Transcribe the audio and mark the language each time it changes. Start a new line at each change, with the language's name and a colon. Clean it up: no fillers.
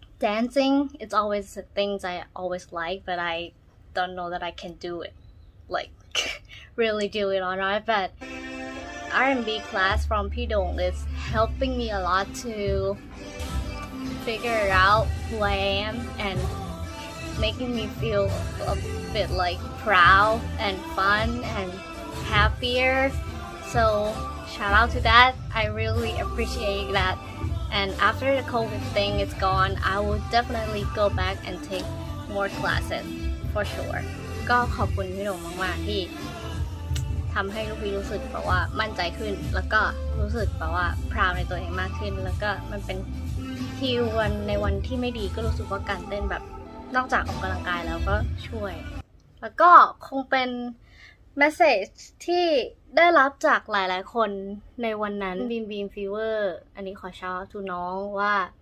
English: dancing it's always the things I always like but I don't know that I can do it like really do it or not butR&B class from Pi Dong is helping me a lot to figure out who I am and making me feel a bit like proud and fun and happier. So shout out to that. I really appreciate that. And after the COVID thing is gone, I will definitely go back and take more classes for sure.
Thai: ก็ขอบคุณ Pi Dong มากๆที่ทำให้ลูกพี่รู้สึกแบบว่ามั่นใจขึ้นแล้วก็รู้สึกแบบว่าพราวในตัวเองมากขึ้นแล้วก็มันเป็นฮีลวันในวันที่ไม่ดีก็รู้สึกว่าการเต้นแบบนอกจากออกกำลังกายแล้วก็ช่วยแล้วก็คงเป็นเมสเซจที่ได้รับจากหลายๆคนในวันนั้นบีมบีมฟีเวอร์อันนี้ขอชาร์จทูน้องว่า